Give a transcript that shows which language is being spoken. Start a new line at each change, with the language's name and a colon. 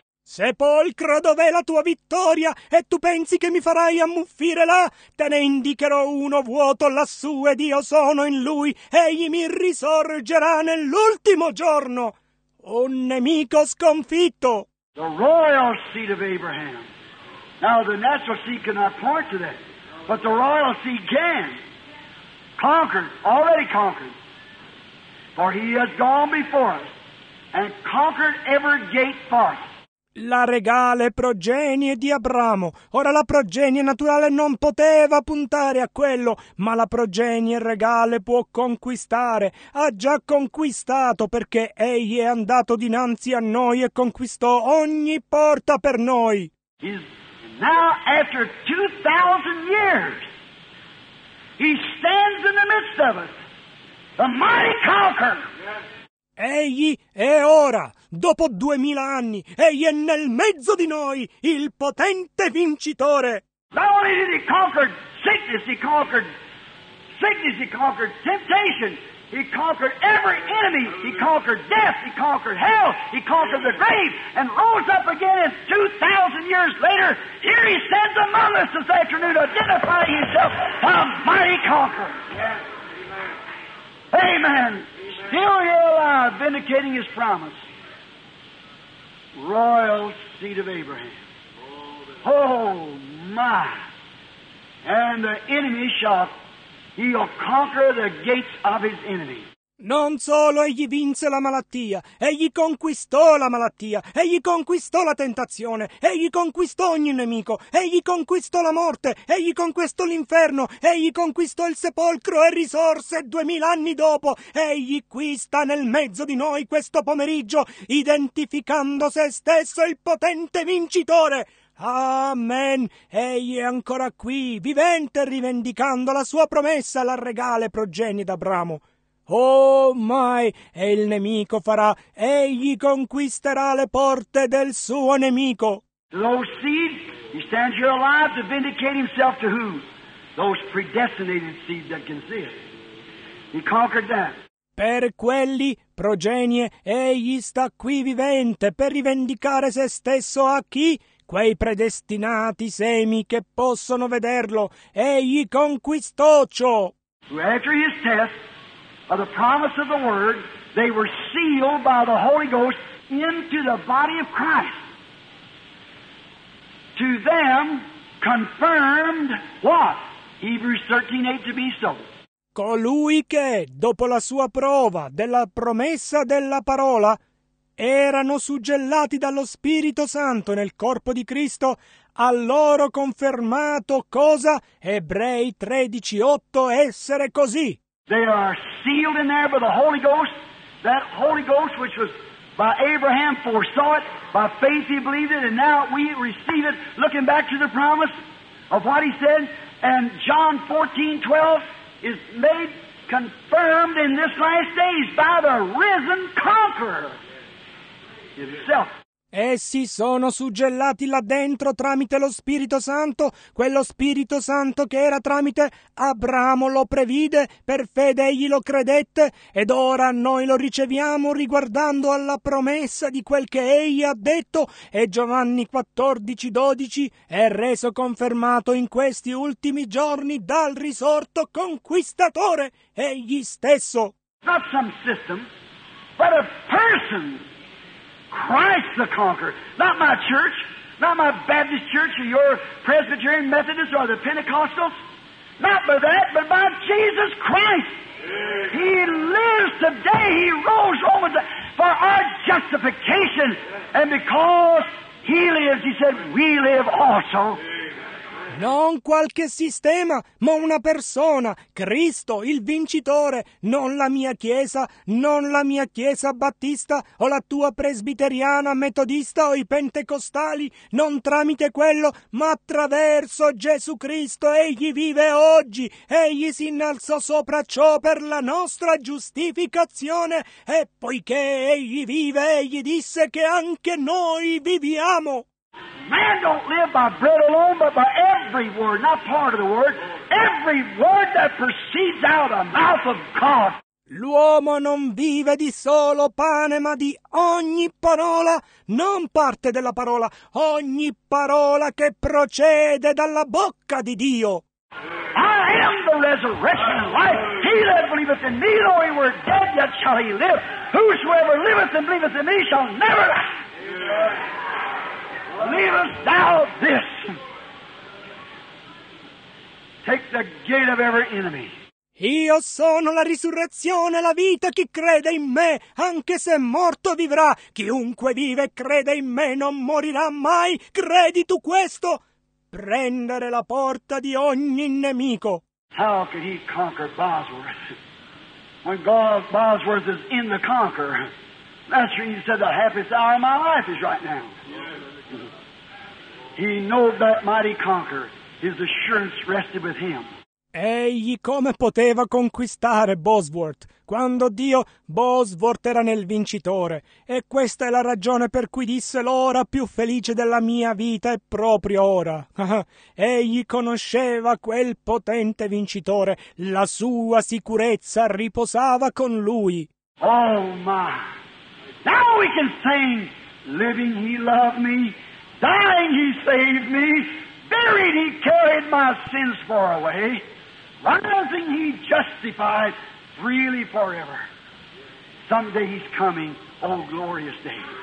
Italian: Sepolcro, dov'è la tua vittoria? E tu pensi che mi farai ammuffire là? Te ne indicherò uno vuoto lassù ed io sono in lui. Egli mi risorgerà nell'ultimo giorno. Un nemico sconfitto.
English: The royal seed of Abraham. Now the natural seed cannot point to that. But the royal seed can. Conquered, already conquered. For he has gone before us and conquered every gate for us.
Italian: La regale progenie di Abramo. Ora la progenie naturale non poteva puntare a quello, ma la progenie regale può conquistare. Ha già conquistato, perché egli è andato dinanzi a noi e conquistò ogni porta per noi.
English: He's now after 2,000 years, he stands in the midst of us, the mighty conqueror.
Italian: Egli è ora, dopo 2,000 anni, egli è nel mezzo di noi, il potente vincitore.
English: Not only did he conquer sickness, he conquered temptation, He conquered every enemy. He conquered death. He conquered hell. He conquered the grave and rose up again. And 2,000 years later, here he stands among us this afternoon, identifying himself a mighty conqueror. Yes. Amen. Amen. Still here alive, vindicating his promise. Royal seed of Abraham. Oh, my. And the enemy shall... He'll conquer the gates of his enemy.
Italian: Non solo egli vinse la malattia, egli conquistò la malattia, egli conquistò la tentazione, egli conquistò ogni nemico, egli conquistò la morte, egli conquistò l'inferno, egli conquistò il sepolcro e risorse 2000 anni dopo. Egli qui sta nel mezzo di noi questo pomeriggio, identificando se stesso il potente vincitore. Amen. Egli è ancora qui, vivente, rivendicando la sua promessa alla regale progenie d'Abramo. Oh mai, e il nemico farà, egli conquisterà le porte del suo nemico.
English: Those seeds, he stands here alive to vindicate himself to who? Those predestinated seeds that can see it. He conquered that.
Italian: Per quelli, progenie, egli sta qui vivente per rivendicare se stesso a chi? Quei predestinati semi che possono vederlo, egli conquistò ciò.
English: After his test of the promise of the word, they were sealed by the Holy Ghost into the body of Christ. To them confirmed what? Hebrews 13:8 to be so.
Italian: Colui che, dopo la sua prova della promessa della parola, erano suggellati dallo Spirito Santo nel corpo di Cristo, a loro confermato cosa? Ebrei 13:8 essere così.
English: They are sealed in there by the Holy Ghost, that Holy Ghost which was by Abraham foresaw it, by faith he believed it, and now we receive it, looking back to the promise of what he said, and John 14:12 is made confirmed in this last days by the risen conqueror.
Italian: Essi sono suggellati là dentro tramite lo Spirito Santo, quello Spirito Santo che era tramite Abramo, lo previde, per fede egli lo credette, ed ora noi lo riceviamo riguardando alla promessa di quel che egli ha detto, e Giovanni 14:12 è reso confermato in questi ultimi giorni dal risorto conquistatore, egli stesso.
English: Not some system, but a person. Christ the conqueror, not my church, not my Baptist church or your Presbyterian Methodist or the Pentecostals, not by that, but by Jesus Christ. He lives today, he rose over the, for our justification, and because he lives, he said, we live also.
Italian: Non qualche sistema, ma una persona, Cristo, il vincitore, non la mia chiesa, non la mia chiesa battista, o la tua presbiteriana, metodista, o i pentecostali, non tramite quello, ma attraverso Gesù Cristo, egli vive oggi, egli si innalzò sopra ciò per la nostra giustificazione, e poiché egli vive, egli disse che anche noi viviamo.
English: Man don't live by bread alone, but by every word, not part of the word, every word that proceeds out of the mouth of God.
Italian: L'uomo non vive di solo pane, ma di ogni parola, non parte della parola, ogni parola che procede dalla bocca di Dio.
English: I am the resurrection and life. He that believeth in me, though he were dead, yet shall he live. Whosoever liveth and believeth in me shall never die. Leavest thou this? Take the gate of every enemy.
Italian: Io sono la risurrezione, la vita. Chi crede in me, anche se morto, vivrà. Chiunque vive e crede in me non morirà mai. Credi tu questo? Prendere la porta di ogni nemico.
English: How could he conquer Bosworth? When God Bosworth is in the conqueror, that's when he said the happiest hour of my life is right now. He knew that mighty conqueror. His assurance rested with him.
Italian: Egli come poteva conquistare Bosworth quando Dio Bosworth era nel vincitore? E questa è la ragione per cui disse: l'ora più felice della mia vita è proprio ora. Egli conosceva quel potente vincitore, la sua sicurezza riposava con lui.
English: Oh my! Now we can sing: living he loved me, dying he saved me, buried he carried my sins far away. Rising, he justified freely forever. Someday he's coming, oh glorious day.